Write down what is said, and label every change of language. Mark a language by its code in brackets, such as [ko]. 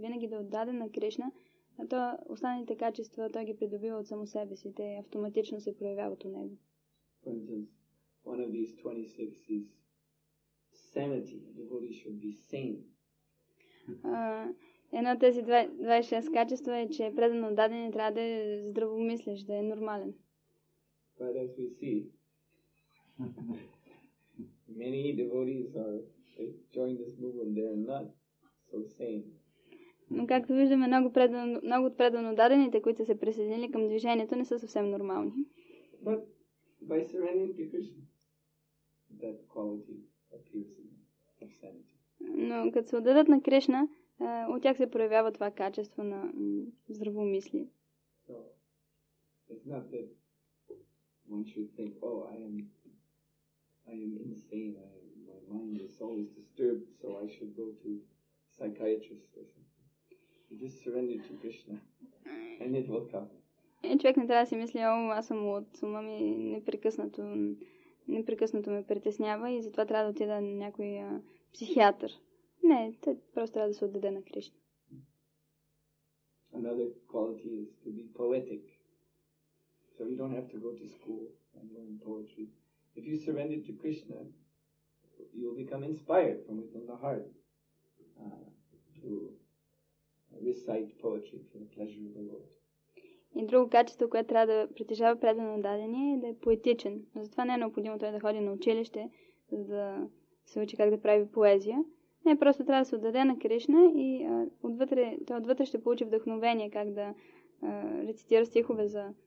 [bg] винаги да отдаде на Кришна, то останалите качества той ги придобива от само себе си, те автоматично се проявяват у него. [en] For instance, one of these 26 is sanity. A devotee should be sane. [bg] Едно от тези 26 качества е, че предан отдаден трябва да е здравомислещ, да е нормален. [en] But as we see, many devotees are join this movement, they are not so sane. [bg] Но както виждаме, много предано, много от предано дадените, които са се присъединили към движението, не са съвсем нормални. [en] But by surrendering to Krishna, that quality appears in them, of sanity. [bg] Но като се отдадат на Кришна, от тях се проявява това качество на здравомислие. [en] So it's not that one should think, oh, I am insane. My mind is always disturbed, so I should go to psychiatrist or something. Just surrender to Krishna, and it will come. [bg] И човек не трябва да си мисли, о, аз съм от ума ми непрекъснато, ме притеснява и затова трябва да отида на някой психиатър. Не, те просто трябва да се отдаде на Кришна. [en] Another quality is to be poetic. So you don't have to go to school and learn poetry. If you surrender to Krishna, you will become inspired from within the heart to recite poetry for the pleasure of the Lord. [bg] И друго качество, което трябва да притежава предано отдадение, е да е поетичен. Но затова не е необходимо той да ходи на училище, за да се учи как да прави поезия. Не, просто трябва да се отдаде на Кришна и отвътре, той отвътре ще получи вдъхновение как да рецитира стихове за